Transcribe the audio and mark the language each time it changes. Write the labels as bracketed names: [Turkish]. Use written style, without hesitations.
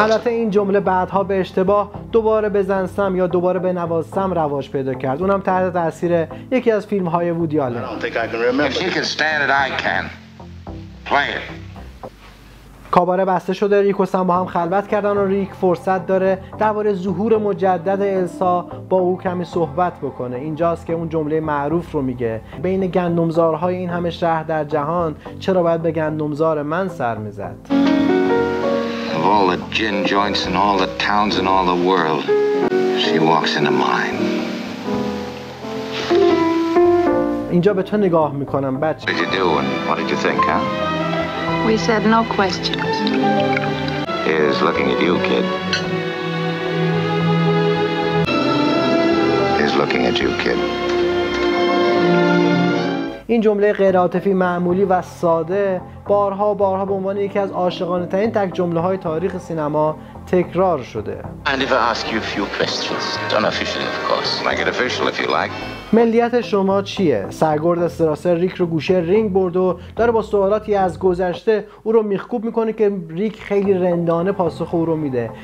[Persian] البته این جمله بعدها به اشتباه دوباره بزنسم یا دوباره بنوازسم رواج پیدا کرد. اونم تحت تاثیر یکی از فیلم‌های وودی آلن. [English] I don't think I can remember. If she can stand it, I can. Play it. [Persian] کاباره بسته شده، ریک و سم با هم خلوت کردن و ریک فرصت داره درباره ظهور مجدد السا با او کمی صحبت بکنه. اینجاست که اون جمله معروف رو میگه: بین گندمزارهای این همه شهر در جهان چرا باید به گندمزار من سر میزد؟ [English] Of all the gin joints in all the towns in all the world, she walks into mine. [Persian] اینجا به تو نگاه میکنم بچه. [English] What did you do and what did you think, huh? We said no questions. Is looking at you, kid. Is looking at you, kid. [Persian] این جمله غیرعاطفی معمولی و ساده بارها بارها به عنوان یکی از عاشقانه ترین تک جمله های تاریخ سینما تکرار شده. [English] And if I ask you a few questions, unofficially of course. Make it official if you like. [Persian] ملیت شما چیه؟ سرگرد استراسر ریک رو گوشه رینگ برد و داره با سوالاتی از گذشته او رو میخکوب میکنه که ریک خیلی رندانه پاسخ او رو میده.